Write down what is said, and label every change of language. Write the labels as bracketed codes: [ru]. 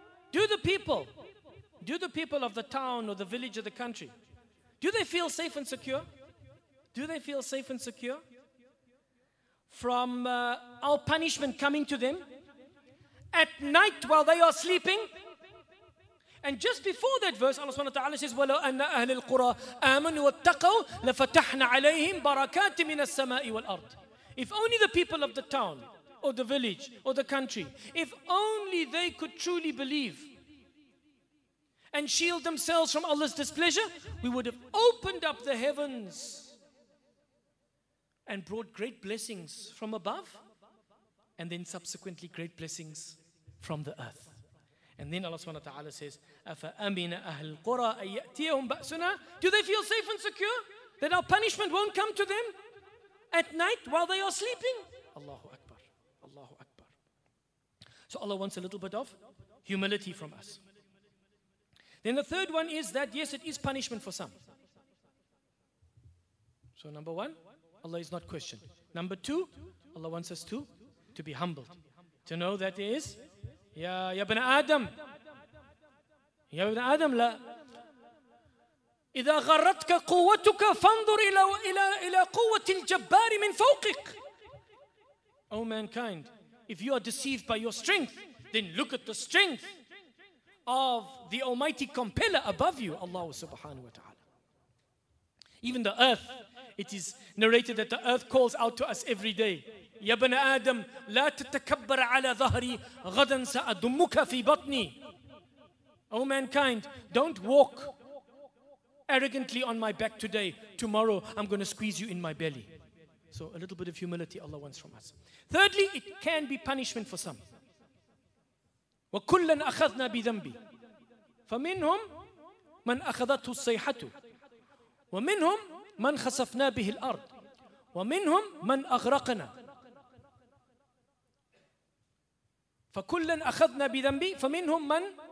[en] Do the people of the town or the village or the country, do they feel safe and secure? Do they feel safe and secure from our punishment coming to them at night while they are sleeping? And just before that verse, Allah subhanahu wa ta'ala says, [ar] وَلَوْ أَنَّ أَهْلِ الْقُرَىٰ آمَنُوا وَاتَّقَوْا لَفَتَحْنَا عَلَيْهِمْ بَرَكَاتٍ مِنَ السَّمَاءِ وَالْأَرْضِ. [en] If only the people of the town or the village or the country, if only they could truly believe and shield themselves from Allah's displeasure, we would have opened up the heavens and brought great blessings from above and then subsequently great blessings from the earth. And then Allah subhanahu wa ta'ala says, [ar] أَفَأَمِنَ أَهْلِ الْقُرَىٰ أَن يَأْتِيَهُمْ بَأْسُنَا. [en] Do they feel safe and secure that our punishment won't come to them at night while they are sleeping? Allahu Akbar, Allahu Akbar. So Allah wants a little bit of humility from us. Then the third one is that, yes, it is punishment for some. So number one, Allah is not questioned. Number two, Allah wants us to be humbled. To know that there is, [ar] Ya ibn Adam. Ya ibn Adam, la. إذا غرتك قوتك فانظر إلى إلى إلى قوة الجبار من فوقك. [en] O mankind, if you are deceived by your strength, then look at the strength of the Almighty Compeller above you, Allah Subhanahu wa Taala. Even the earth, it is narrated that the earth calls out to us every day. [ar] يا بن آدم لا تتكبر على ظهري غدا سأدمك في بطني. [en] O mankind, don't walk arrogantly on my back today. Tomorrow, I'm going to squeeze you in my belly. So a little bit of humility Allah wants from us. Thirdly, it can be punishment for some. [ar] وَكُلًّا أَخَذْنَا بِذَنْبِ فَمِنْهُمْ مَنْ أَخَذَتُ الصَّيْحَةُ وَمِنْهُمْ مَنْ خَسَفْنَا بِهِ الْأَرْضِ وَمِنْهُمْ مَنْ أَغْرَقَنَا فَكُلًّا أَخَذْنَا بِذَنْبِ فَمِنْهُمْ مَنْ.